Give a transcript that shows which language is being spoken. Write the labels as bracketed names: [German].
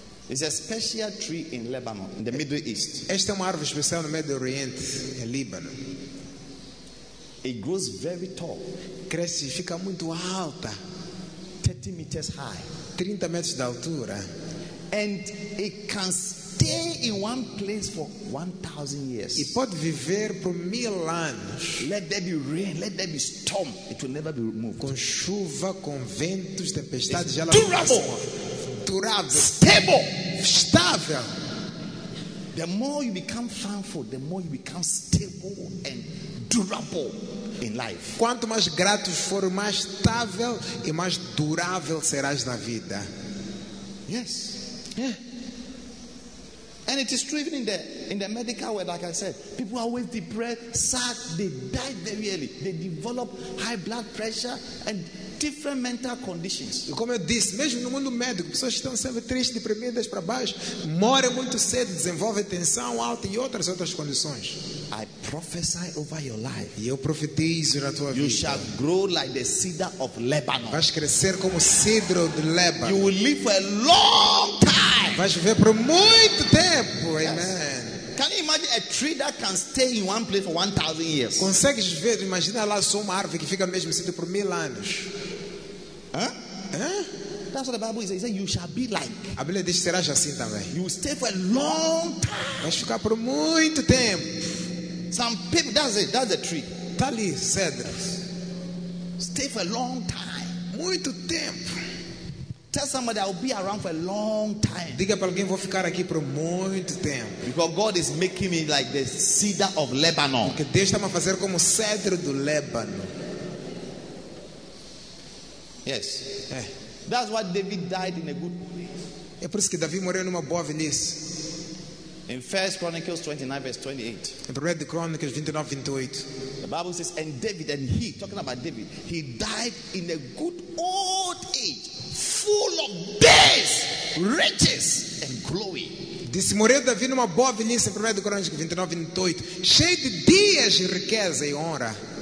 [English] It's a special tree in Lebanon, in the Middle East. [Portuguese] Esta é uma árvore especial no Médio Oriente, em Líbano. [English] It grows very tall. [Portuguese] Cresce e fica muito alta. [English] 30 meters high. [Portuguese] 30 metros de altura. [English] And it can stay in one place for 1,000 years. [Portuguese] E pode viver por 1,000 anos. [English] Let there be rain, let there be storm, it will never be removed. [Portuguese] Com chuva, com ventos, tempestades, ela durável. Stable. Estável. [English] The more you become thankful, the more you become stable and durable. In life. [Portuguese] Quanto mais gratos for, mais estável e mais durável serás na vida. [English] Yes. Yeah. And it is true even in the medical world, like I said, people are always depressed, sad, they die very early. They develop high blood pressure and different mental conditions. [Portuguese] E como eu disse, mesmo no mundo médico, pessoas estão sempre tristes, deprimidas para baixo, morrem muito cedo, desenvolvem tensão alta e outras condições. [English] I prophesy over your life. [Portuguese] E eu profetizo na tua [English] you You shall grow like the cedar of Lebanon. [Portuguese] Vais crescer como cedro de Lebanon. [English] You will live for a long time. [Portuguese] Vais viver por muito tempo. Yes. Amen. [English] Can you imagine a tree that can stay in one place for 1,000 years? [Portuguese] Consegues ver? Imagina lá só uma árvore que fica no mesmo sítio por 1,000 anos. [English] That's what the Bible says. It says you shall be like. [Portuguese] A Bíblia diz que serás assim também. [English] You will stay for a long time. [Portuguese] Vais ficar por muito tempo. [English] Some people, that's it, that's a tree. [Portuguese] Tá ali, cedras. [English] Stay for a long time. [Portuguese] Muito tempo. [English] Tell somebody I'll be around for a long time. [Portuguese] Diga para alguém, vou ficar aqui por muito tempo. [English] Because God is making me like the cedar of Lebanon. [Portuguese] Porque Deus está me fazendo como cedro do Lebanon. [English] Yes. [Portuguese] É. [English] That's why David died in a good place. [Portuguese] É por isso que Davi morreu numa boa velhice. [English] In 1 Chronicles 29, verse 28. [Portuguese] Em 1 Chronicles 29, 28. [English] The Bible says, and David, and he, talking about David, he died in a good old age, full of days, riches, and glory. [Portuguese] Disse, morreu Davi numa boa velhice, em 1 Chronicles 29, 28, cheio de dias, riqueza e honra.